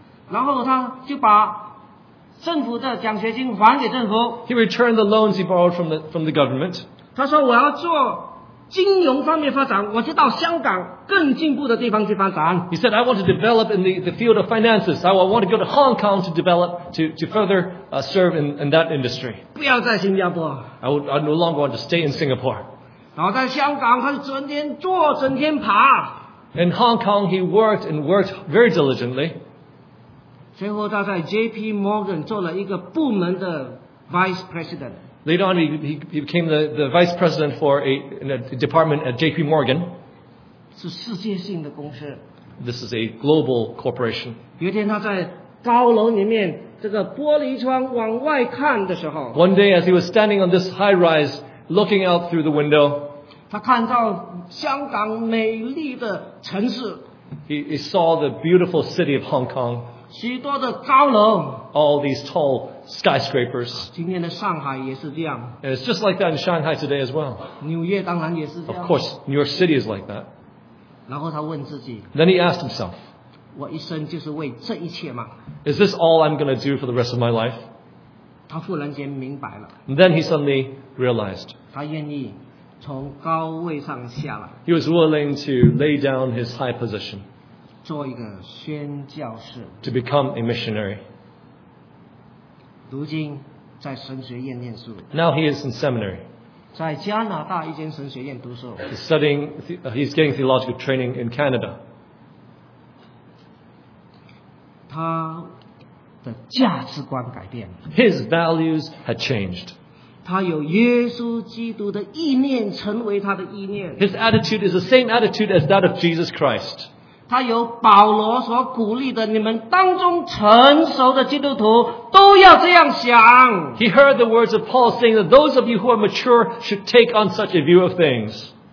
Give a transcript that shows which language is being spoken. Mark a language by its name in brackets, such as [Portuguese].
[Chinese] 然后他就把政府的奖学金还给政府。 [English] He returned the loans he borrowed from the government. [Chinese] 他说我要做金融方面发展，我就到香港更进步的地方去发展。 [English] He said, I want to develop in the field of finances. I want to go to Hong Kong to develop, to further serve in that industry. [Chinese] 不要在新加坡。 [English] I no longer want to stay in Singapore. [Chinese] 然后在香港他就整天坐，整天爬。 [English] In Hong Kong, he worked and worked very diligently. [Chinese] 最后他在 JP Morgan 做了一个部门的 Vice President. [English] Later on, he became the Vice President for a department at JP Morgan. [Chinese] 是世界性的公司。 [English] This is a global corporation. [Chinese] 有一天他在高楼里面这个玻璃窗往外看的时候。 [English] One day as he was standing on this high rise, looking out through the window, [Chinese] 他看到香港美丽的城市。 [English] He saw the beautiful city of Hong Kong. [Chinese] 许多的高楼。 [English] All these tall skyscrapers. [Chinese] 今天的上海也是这样。 [English] And it's just like that in Shanghai today as well. [Chinese] 纽约当然也是这样。 [English] Of course, New York City is like that. [Chinese] 然后他问自己。 [English] Then he asked himself. [Chinese] 我一生就是为这一切吗？ [English] Is this all I'm going to do for the rest of my life? [Chinese] 他忽然间明白了。 [English] And then he suddenly realized. [Chinese] 他愿意。从高位上下来。 [English] He was willing to lay down his high position. [Chinese] 做一个宣教士。 [English] To become a missionary. [Chinese] 如今在神学院念书。 [English] Now he is in seminary. [Chinese] 在加拿大一间神学院读书。 [English] He's getting theological training in Canada. [Chinese] 他的价值观改变了。 [English] His values had changed. [Chinese] 他有耶稣基督的意念成为他的意念。 [English] His attitude is the same attitude as that of Jesus Christ. [Chinese] 他有保罗所鼓励的，你们当中成熟的基督徒都要这样想。 [English] He heard the words of Paul saying that those of you who are mature should take on such a view of things.